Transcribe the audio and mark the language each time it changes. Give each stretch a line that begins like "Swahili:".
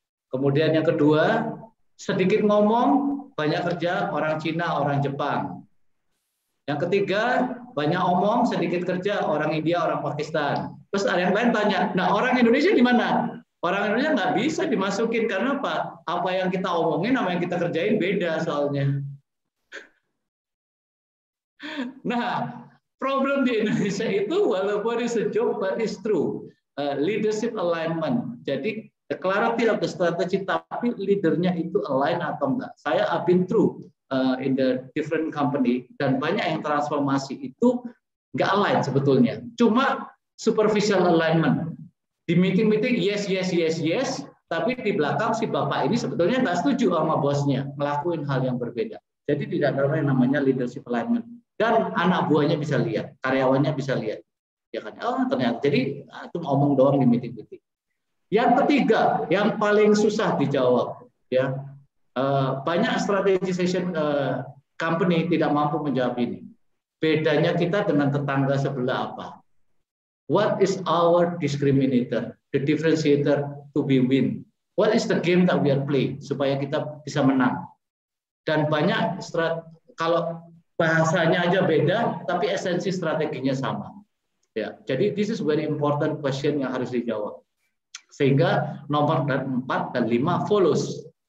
Indonesian: Kemudian yang kedua, sedikit ngomong, banyak kerja, orang Cina, orang Jepang. Yang ketiga, banyak omong, sedikit kerja, orang India, orang Pakistan. Terus ada yang lain tanya, nah orang Indonesia di mana? Orang Indonesia nggak bisa dimasukin, karena apa? Apa yang kita omongin sama yang kita kerjain beda soalnya. Nah, problem di Indonesia itu walaupun
English: it's a joke, but it's true. Leadership alignment.
Indonesian: Jadi,
English: clarity of the strategy,
Indonesian: tapi leadernya itu align atau enggak. Saya
English: have been through in the different company,
Indonesian: dan banyak yang transformasi itu enggak align sebetulnya. Cuma superficial alignment. Di meeting-meeting,
English: yes, yes, yes, yes,
Indonesian: tapi di belakang si bapak ini sebetulnya enggak setuju sama bosnya, ngelakuin hal yang berbeda. Jadi tidak ada yang namanya leadership alignment. Dan anak buahnya bisa lihat, karyawannya bisa lihat. Ya kan, oh ternyata jadi itu ngomong doang di meeting-meeting. Yang ketiga, yang paling susah dijawab, ya banyak
English: strategy session company
Indonesian: tidak mampu menjawab ini. Bedanya kita dengan tetangga sebelah apa?
English: What is our discriminator, the differentiator to be win? What is the game that we are play
Indonesian: supaya kita bisa menang? Dan banyak kalau bahasanya aja beda, tapi esensi strateginya sama. Ya, jadi
English: this is very important question
Indonesian: yang harus dijawab. Sehingga nomor 4 dan 5 follows.